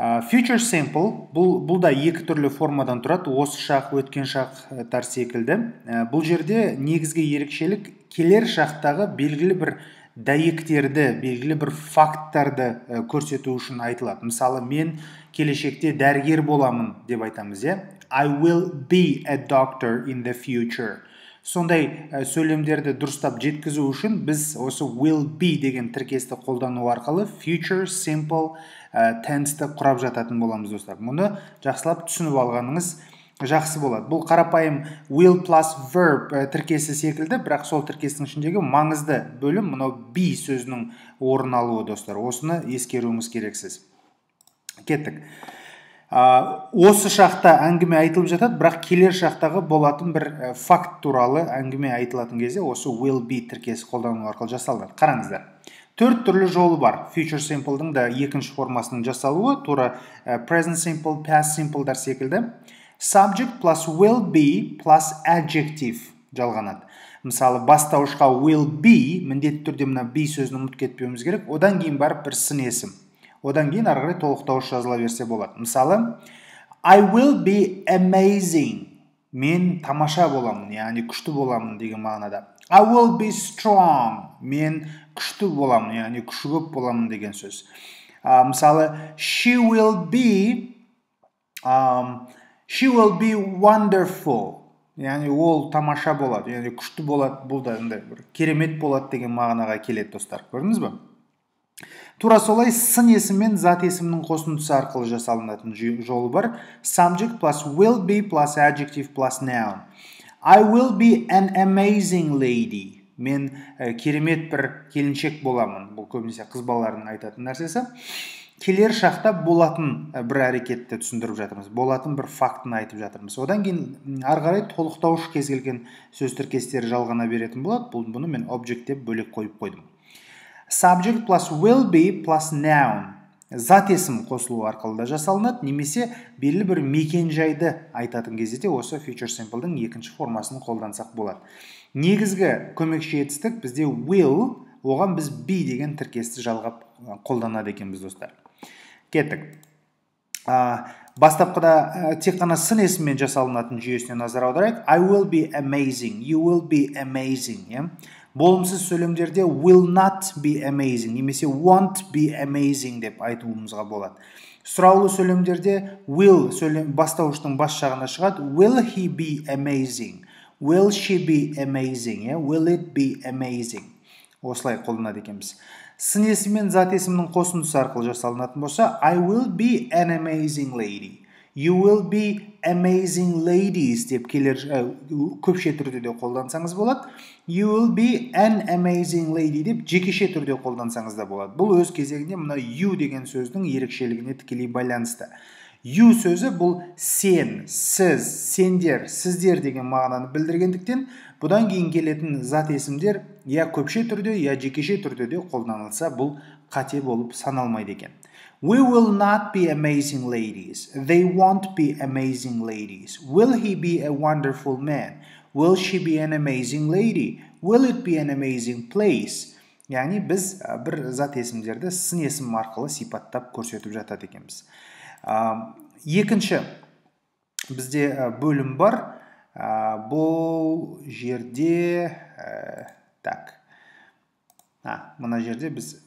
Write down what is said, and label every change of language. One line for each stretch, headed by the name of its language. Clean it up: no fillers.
Kazakh: Future Simple, бұл да екі түрлі формадан тұрады, осы шақ, өткен шақ тәрсі екілді. Бұл жерде негізге ерекшелік келер шақтағы белгілі бір дәйектерді, белгілі бір факттарды көрсету үшін айтылады. Мысалы, мен келешекте дәрігер боламын деп айтамыз, е?
English: I will be a doctor in the future.
Kazakh: Сондай сөйлемдерді дұрыстап жеткізу үшін біз осы will be деген тіркесті қолдану арқылы future simple tense-ті құрап жататын боламыз достар. Мұны жақсылап түсініп алғаныңыз жақсы болады. Бұл қарапайым will plus verb тіркесі секілді, бірақ сол тіркестің ішіндегі маңызды бөлім мынау be сөзінің орын алуы достар. Осыны ескеруіңіз керексіз. Кеттік. Осы шақта әңгіме айтылып жатады, бірақ келер шақтағы болатын бір факт туралы әңгіме айтылатын кезде осы will be тіркесі қолдану арқылы жасалды. Қараңыздар. Төрт түрлі жолы бар. Future simple-дің да екінші формасының жасалуы, тура present simple, past simple-дар секілді.
English: Subject plus will be plus adjective жалғанады.
Kazakh: Мысалы, бастаушқа will be, міндетті түрде мына be сөзін ұмытып кетпеуіміз керек. Одан кейін барып бір сын есім. Одан кейін ары қарай толықтауыш жазыла берсе болады.
English: Мысалы, I will be amazing.
Kazakh: Мен тамаша боламын, яғни күшті боламын деген мағынада.
English: I will be strong.
Kazakh: Мен күшті боламын, яғни күші көп боламын деген сөз.
English: Мысалы, she will be wonderful.
Kazakh: Яғни ол тамаша болады, яғни күшті болады, бұл да бір керемет болады деген мағынаға келеді достар. Көрдіңіз бе? Тура солай сын есім мен зат есімнің қосындысы арқылы жасалынатын жолы бар.
English: Subject plus will be plus adjective plus noun. I will be an amazing lady.
Kazakh: Мен керемет бір келіншек боламын. Бұл көбінесе қыз балаларының айтатын нәрсесі. Келер шақта болатын бір әрекетті түсіндіріп жатырмыз. Болатын бір фактын айтып жатырмыз. Одан кейін ары қарай толықтауыш кез келген сөз тіркестері жалғана беретін болады. Бұны мен object деп бөлек қойып қойдым.
English: Subject plus will be plus noun.
Kazakh: Зат есім қосылуы арқылы да жасалынады, немесе белгілі бір мекен жайды айтатын кезде осы future simple-дің екінші формасын қолдансақ болады. Негізгі көмекші етістік бізде will, оған біз be деген тіркесті жалғап қолданады екенбіз достар. Кеттік. Бастапқыда тек қана сын есіммен жасалынатын жүйесіне назар аударайық.
English: I will be amazing, you will be amazing. Yeah?
Kazakh: Болымсыз сөйлемдерде
English: will not be amazing
Kazakh: немесе
English: won't be amazing
Kazakh: деп айтуымызға болады. Сұраулы сөйлемдерде will бастауыштың бас жағына шығады.
English: Will he be amazing? Will she be amazing? Yeah? Will it be amazing?
Kazakh: Осылай қолданады екенбіз. Сын есім мен зат есімнің қосындысы арқылы жасалынатын болса,
English: I will be an amazing lady. You will be amazing ladies
Kazakh: деп келер көпше түрде де қолдансаңыз болады.
English: You will be an amazing lady
Kazakh: деп жекеше түрде қолдансаңыз да болады. Бұл өз кезегінде мына you деген сөздің ерекшелігіне тікелей байланысты. You сөзі бұл сен, сіз, сендер, сіздер деген мағынаны білдіргендіктен, бұдан кейін келетін зат есімдер я көпше түрде, я жекеше түрде де қолданылса, бұл қате болып саналмайды екен.
English: We will not be amazing ladies. They won't be amazing ladies. Will he be a wonderful man? Will she be an amazing lady? Will it be an amazing place?
Kazakh: Яғни біз бір зат есімдерді сын есім арқылы сипаттап көрсетіп жатады екенбіз. Екінші, бізде бөлім бар. Бұл жерде... так. Мына жерде біз...